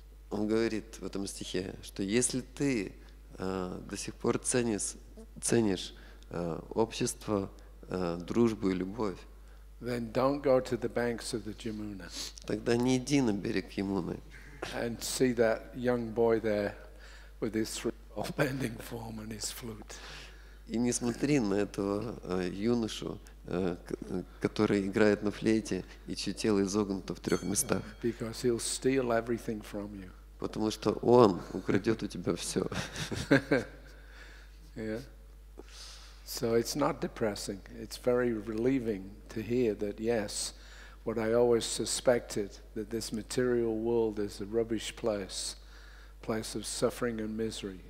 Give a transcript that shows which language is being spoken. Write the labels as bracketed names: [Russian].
[Russian] Он говорит в этом стихе, что если ты до сих пор ценишь общество, дружбу и любовь, [English] then don't go to the banks of the Yamuna. [Russian] Тогда не иди на берег Ямуны. [English] And see that young boy there with his bending form and his flute. [Russian] И не смотри на этого юношу, который играет на флейте и чье тело изогнуто в трех местах. [English] Because he'll steal everything from you. [Russian] Потому что он украдет у тебя все. [English] Yeah. So it's not depressing. It's very relieving to hear that yes, what I always suspected, that this material world is a rubbish place, place of suffering and misery.